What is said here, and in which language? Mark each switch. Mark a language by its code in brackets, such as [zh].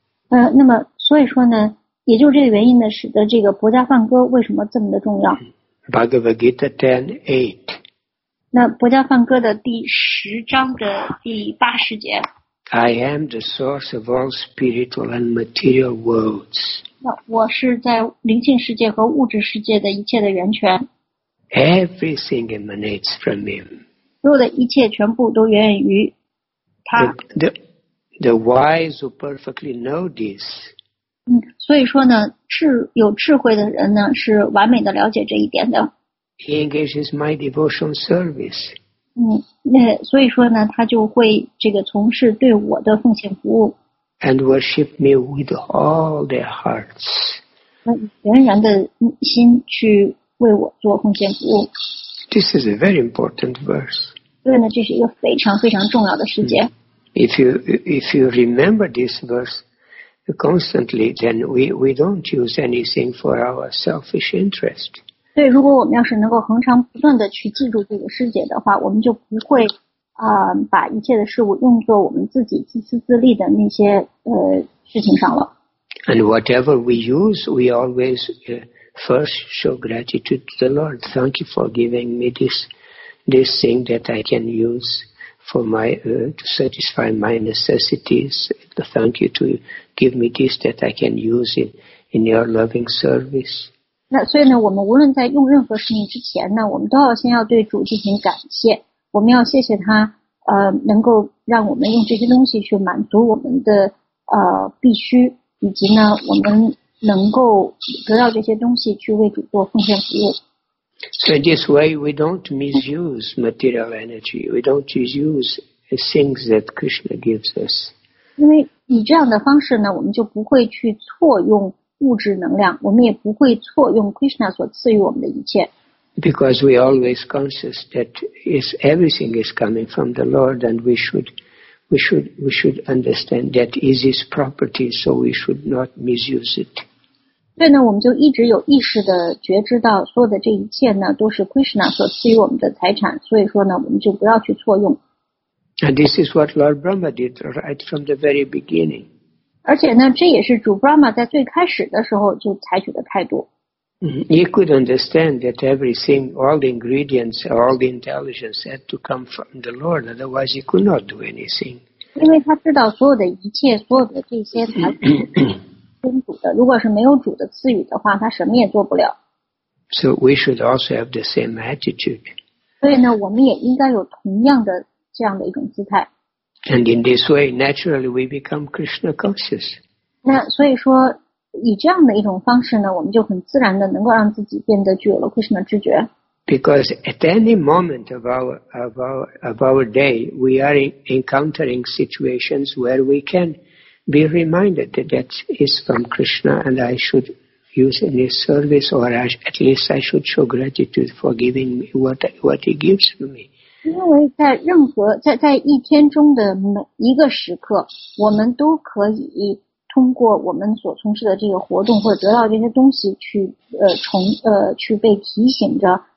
[zh] 那么所以说呢，也就这个原因呢，使得这个《薄伽梵歌》为什么这么的重要 [en] ？Bhagavad Gita 10:8. [zh] 那《薄伽梵歌》的第十章的第八十节。 [en] I am the source of all spiritual and material worlds. [zh] 我是在灵性世界和物质世界的一切的源泉。 [en] Everything emanates from him. [zh] 所有的一切全部都源远于他。 [en] The wise who perfectly know this. [zh] 所以说呢，有智慧的人呢，是完美的了解这一点的。 [en] He engages my devotional service. [zh] 那所以说呢，他就会这个从事对我的奉献服务。 [en] And worship me with all their hearts. [zh] 全然的心去为我做奉献服务。 [en] This is a very important verse. [zh] 对呢，这是一个非常非常重要的时节。 [en] If you remember this verse constantly, then we don't use anything for our selfish interest. [zh] 对，如果我们要是能够恒常不断的去记住这个时节的话，我们就不会。把一切的事物用作我们自己自私自利的那些事情上了。 [en] And whatever we use, we always first show gratitude to the Lord. Thank you for giving me this thing that I can use for my to satisfy my necessities. Thank you to give me this that I can use in your loving service. [zh] 那所以呢，我们无论在用任何事情之前呢，我们都要先要对主进行感谢。我们要谢谢他，能够让我们用这些东西去满足我们的必须，以及呢，我们能够得到这些东西去为主做奉献服务。 [en] So in this way, we don't misuse material energy. We don't misuse things that Krishna gives us. [zh] 因为以这样的方式呢，我们就不会去错用物质能量，我们也不会错用 Krishna 所赐予我们的一切。 [en] Because we always conscious that everything is coming from the Lord, and we should understand that is His property, so we should not misuse it. [zh] 对呢，我们就一直有意识的觉知到所有的这一切呢，都是 Krishna 所赐予我们的财产，所以说呢，我们就不要去错用。 [en] And this is what Lord Brahma did right from the very beginning. [zh] 而且呢，这也是主 Brahma 在最开始的时候就采取的态度。 [en] He could understand that everything, all the ingredients, all the intelligence had to come from the Lord, otherwise he could not do anything. [zh] 因为他知道所有的一切，所有的这些财富跟主的，如果是没有主的赐予的话，他什么也做不了。 [en] So we should also have the same attitude. [zh] 所以呢，我们也应该有同样的这样的一种姿态。 [en] And in this way, naturally we become Krishna conscious. [zh] 那所以说，以这样的一种方式呢，我们就很自然的能够让自己变得具有了 Krishna 知觉。 [en] Because at any moment of our day, we are encountering situations where we can be reminded that that is from Krishna and I should use in his service, or at least I should show gratitude for giving me what he gives to me. [zh] 因为在任何在一天中的每一个时刻，我们都可以通过我们所从事的这个活动或者得到这些东西去被提醒着。